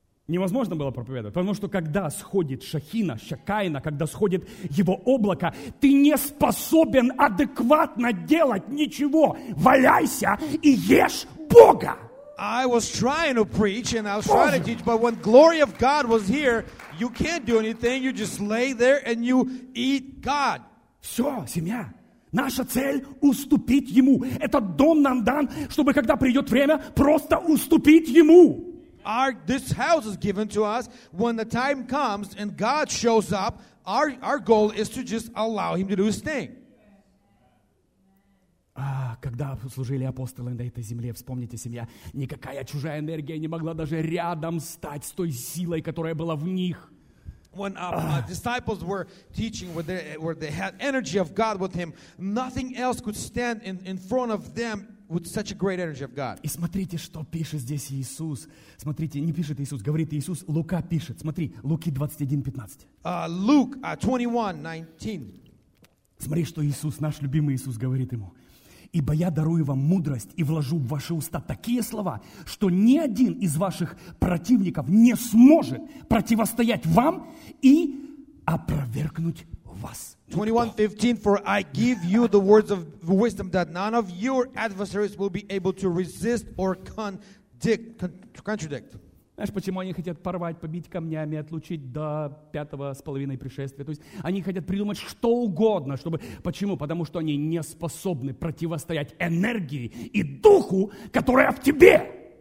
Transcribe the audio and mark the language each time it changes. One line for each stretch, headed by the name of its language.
Russian: Невозможно было проповедовать, потому что когда сходит Шахина, Шакайна, когда сходит его облако, ты не способен адекватно делать ничего, валяйся и ешь Бога.
English: I was trying to preach and I was trying to teach, but when glory of God was here, you can't do anything. You just lay there and you eat God.
Russian: Все, семья. Наша цель – уступить Ему. Этот дом нам дан, чтобы когда придет время, просто уступить Ему.
English: This house is given to us. When the time comes and God shows up, our goal is to just allow Him to do His thing.
Russian: Когда служили апостолы на этой земле, вспомните, семья, никакая чужая энергия не могла даже рядом стать с той силой, которая была в них.
English: When disciples were teaching, where they had energy of God with him, nothing else could stand in front of them with such a great energy of God.
Russian: И смотрите, что пишет здесь Иисус. Смотрите, не пишет Иисус, говорит Иисус, Лука пишет. Смотри, Луки 21:15.
English: Luke 21:19.
Russian: Смотри, что Иисус, наш любимый Иисус, говорит ему. Ибо я дарую вам мудрость и вложу в ваши уста такие слова, что ни один из ваших противников не сможет противостоять вам и опровергнуть вас.
English: 21:15, for I give you the words of wisdom that none of your adversaries will be able to resist or contradict.
Russian: Знаешь, почему они хотят порвать, побить камнями, отлучить до 5:30 пришествия? То есть они хотят придумать что угодно, чтобы... Почему? Потому что они не способны противостоять энергии и духу, которая в тебе.